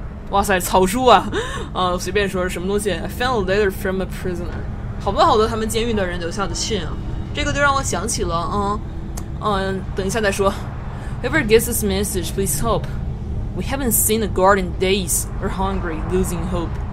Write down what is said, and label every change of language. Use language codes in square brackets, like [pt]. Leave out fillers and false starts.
[zh] 哇塞，草书啊，随便说什么东西。 [en] I found a letter from a prisoner。 [zh] 好多好多他们监狱的人留下的信啊，这个就让我想起了等一下再说。 [en] Whoever gets this message, please help. We haven't seen a guard in days. We're hungry, losing hope.